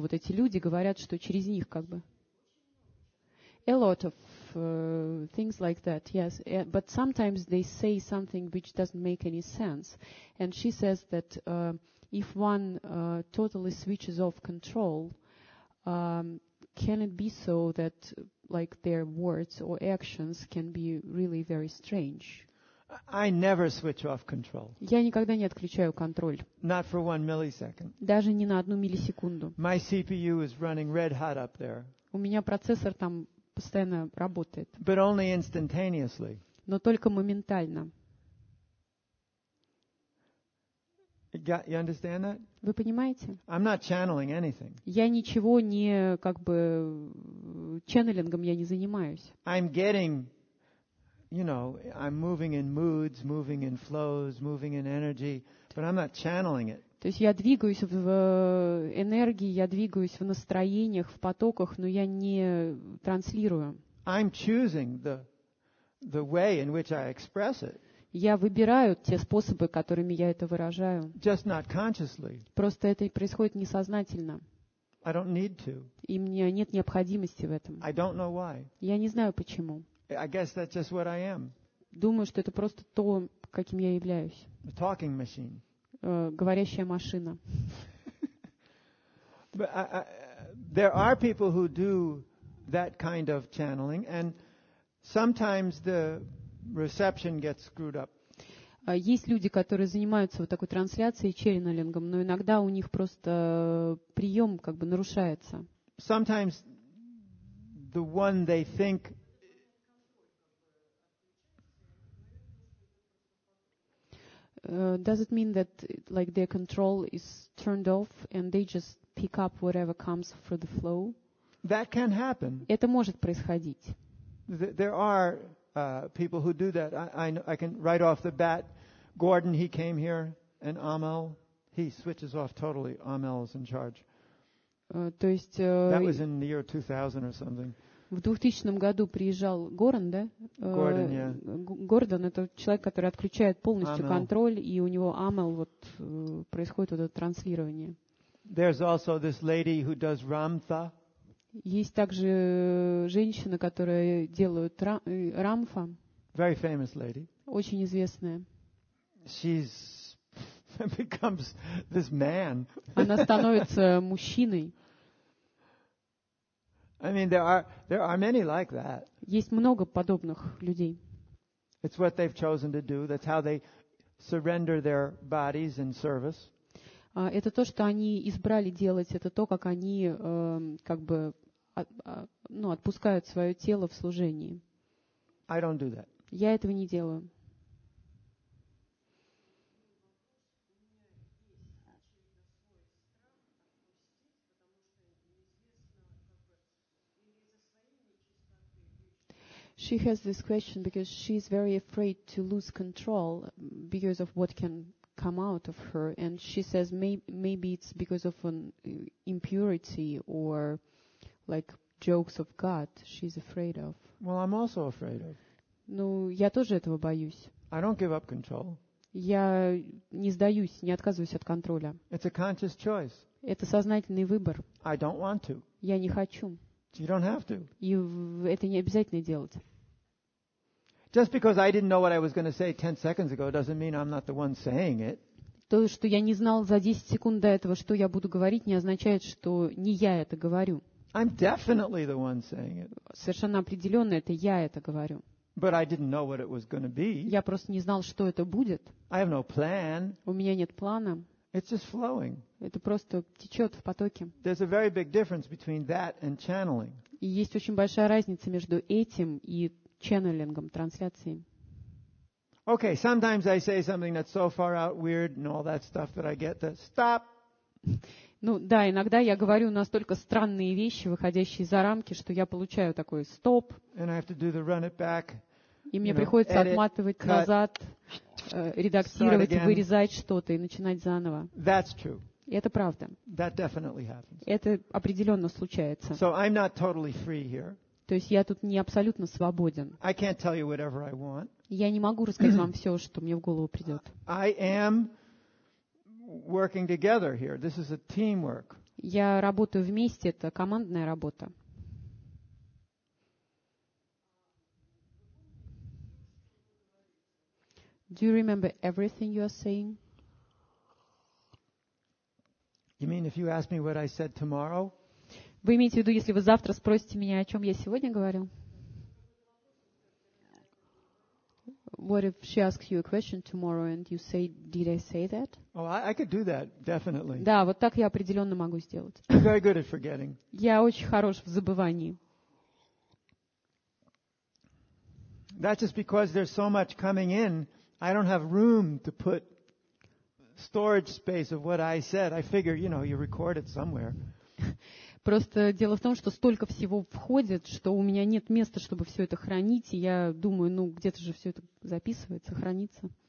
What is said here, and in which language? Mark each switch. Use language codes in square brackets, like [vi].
[ru] Вот эти люди говорят, что через них как бы. [en] A lot of things like that, yes. But sometimes they say something which doesn't make any sense. And she says that if one totally switches off control, can it be so that like their words or actions can be really very strange? I never switch off control. [ru] Я никогда не отключаю контроль. [en] Not for one millisecond. [ru] Даже не на одну миллисекунду. [en] My CPU is running red hot up there. [ru] У меня процессор там постоянно работает. [en] But only instantaneously. [ru] Но только моментально. [en] You understand that? [ru] Вы понимаете? [en] I'm not channeling anything. [ru] Я ничего не как бы ченнелингом я не занимаюсь. [en] I'm getting, you know, I'm moving in moods, moving in flows, moving in energy, but I'm not channeling it. [ru] То есть я двигаюсь в энергии, я двигаюсь в настроениях, в потоках, но я не транслирую. [en] I'm choosing the way in which I express it. [ru] Я выбираю те способы, которыми я это выражаю. [en] Just not consciously. [ru] Просто это происходит несознательно. [en] I don't need to. [ru] И мне нет необходимости в этом. [en] I don't know why. [ru] Я не знаю почему. [en] I guess that's just what I am. [ru] Думаю, что это просто то, каким я являюсь. [en] Talking machine. [ru] Говорящая машина. [en] But there are people who do that kind of channeling, and sometimes the reception gets screwed up. [ru] Есть люди, которые занимаются вот такой трансляцией, ченнелингом, но иногда у них просто прием как бы нарушается. [en] Sometimes the one they think. Does it mean that like their control is turned off and they just pick up whatever comes through the flow? That can happen. [ru] Это может происходить. [en] There are people who do that. I can right off the bat, Gordon, he came here, and Amel, he switches off totally. Amel is in charge. [ru] То есть [en] that was in the year 2000 or something. [ru] В 2000 году приезжал Горан, да? Гордон, это человек, который отключает полностью Amel. Контроль, и у него Амел, вот происходит вот это транслирование. [en] There's also this lady who does Ramtha. [ru] Есть также женщина, которая делает Рамфа. [en] Very famous lady. [ru] Очень известная. [en] She's becomes this man. [ru] Она становится мужчиной. [en] I mean, there are many like that. [ru] Есть много подобных людей. [en] It's what they've chosen to do. That's how they surrender their bodies in service. [ru] Это то, что они избрали делать. Это то, как они как бы ну отпускают свое тело в служении. [en] I don't do that. [ru] Я этого не делаю. [en] She has this question because she is very afraid to lose control because of what can come out of her, and she says maybe it's because of an impurity or like jokes of God she's afraid of. Well, I'm also afraid of. [ru] Ну, я тоже этого боюсь. [en] I don't give up control. [ru] Я не сдаюсь, не отказываюсь от контроля. [en] It's a conscious choice. [ru] Это сознательный выбор. [en] I don't want to. [ru] Я не хочу. [en] You don't have to. [ru] И это не обязательно делать. [en] Just because I didn't know what I was going to say 10 seconds ago doesn't mean I'm not the one saying it. [ru] То, что я не знал за 10 секунд до этого, что я буду говорить, не означает, что не я это говорю. [en] I'm definitely the one saying it. [ru] Совершенно определенно это я это говорю. [en] But I didn't know what it was going to be. [ru] Я просто не знал, что это будет. [en] I have no plan. [ru] У меня нет плана. [en] It's just flowing. [ru] Это просто течет в потоке. [en] There's a very big difference between that and channeling. [ru] И есть очень большая разница между этим и ченнелингом, трансляцией. [en] Okay, sometimes I say something that's so far out, weird, and all that stuff that I get to stop. [ru] Ну да, иногда я говорю настолько странные вещи, выходящие за рамки, что я получаю такой стоп. [en] And I have to do the run it back. [ru] И мне приходится отматывать назад, редактировать, вырезать что-то и начинать заново. [en] That's true. [ru] И это правда. [en] That definitely happens. [ru] Это определенно случается. [en] So I'm not totally free here. [ru] То есть я тут не абсолютно свободен. [en] I can't tell you whatever I want. [ru] Я не могу рассказать вам все, что мне в голову придет. [en] I am working together here. This is a teamwork. [ru] Я работаю вместе, это командная работа. [en] Do you remember everything you are saying? You mean if you ask me what I said tomorrow? [ru] Вы имеете в виду, если вы завтра спросите меня, о чем я сегодня говорил? [en] What if she asks you a question tomorrow and you say, did I say that? Oh, I could do that, definitely. [ru] Да, вот так я определенно могу сделать. [en] I'm very good at forgetting. [ru] Я очень хорош в забывании. [en] That's just because there's so much coming in, I don't have room to put storage space of what I said. I figure, you know, you record it somewhere. [ru] Просто дело в том, что столько всего входит, что у меня нет места, чтобы все это хранить. И я думаю, ну, где-то же все это записывается, хранится.